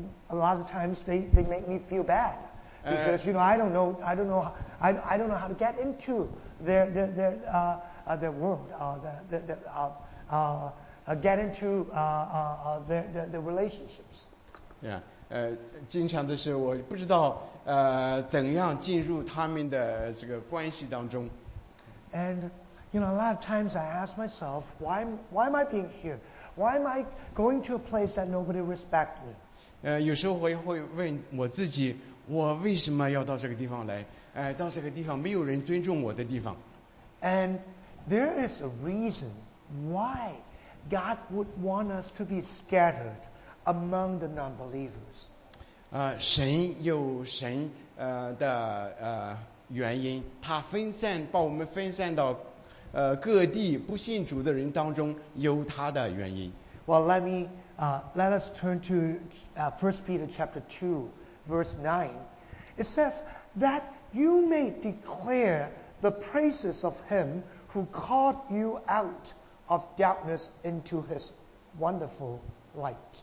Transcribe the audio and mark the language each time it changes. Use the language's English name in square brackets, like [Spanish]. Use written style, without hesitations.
[English] a lot of times they make me feel bad because you know I don't know how to get into their world, get into their relationships. Yeah. [Chinese] 经常的是我不知道怎样进入他们的这个关系当中。 [English] And you know, a lot of times I ask myself, why am I being here? Why am I going to a place that nobody respects me? [Chinese] 有时候会问我自己，我为什么要到这个地方来？到这个地方没有人尊重我的地方。 [English] And there is a reason why God would want us to be scattered among the non-believers. [Chinese] 神有神的原因，他分散把我们分散到各地不信主的人当中，有他的原因。 [English] Well, let us turn to 1 Peter chapter 2, verse 9. It says that you may declare the praises of him who called you out of darkness into his wonderful light.